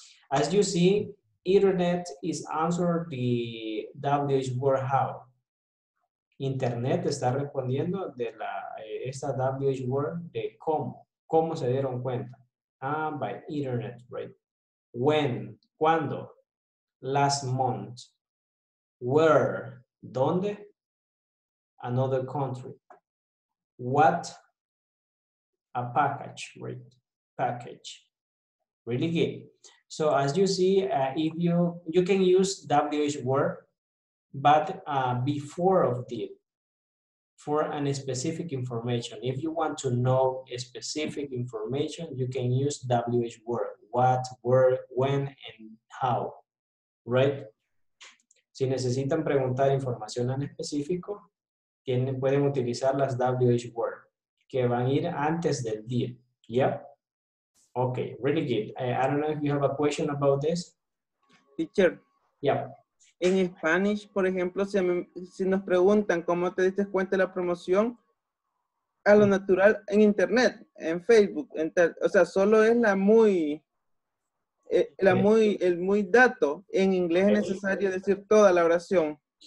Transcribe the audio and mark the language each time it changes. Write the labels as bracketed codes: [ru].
[en] As you see, internet is answer the WH word how. [es] Internet está respondiendo de la esta WH word de cómo. ¿Cómo se dieron cuenta? [en] By internet, right? When, cuando, last month, where, donde, another country, what, a package, right? Package, really good. So as you see, if you can use WH word, but before of the, for an specific information. If you want to know a specific information, you can use WH word. What, where, when, and how, right? [es] Si necesitan preguntar información en específico, pueden utilizar las WH word, que van a ir antes del día. [en] Yep. Okay, really good. I don't know if you have a question about this. Teacher. Yep. [es] En Spanish, por ejemplo, si nos preguntan cómo te diste cuenta de la promoción, a lo natural, en internet, en Facebook, o sea, solo es el muy dato. En inglés es necesario decir toda la oración.